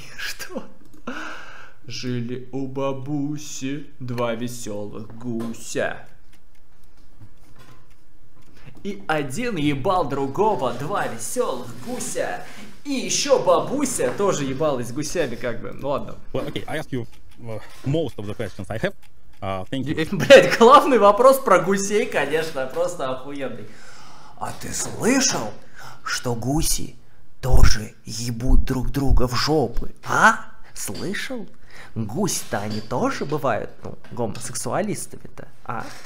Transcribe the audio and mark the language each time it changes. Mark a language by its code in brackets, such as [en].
[ru] Что? Жили у бабуси два веселых гуся. И один ебал другого два веселых гуся. И еще бабуся тоже ебалась гусями, как бы. Ну ладно. [en] Well, okay, I ask you most of the questions I have. [ru] Блять, главный вопрос про гусей, конечно, просто охуенный. А ты слышал, что гуси тоже ебут друг друга в жопы? А? Слышал? Гуси-то они тоже бывают, ну, гомосексуалистами-то, а?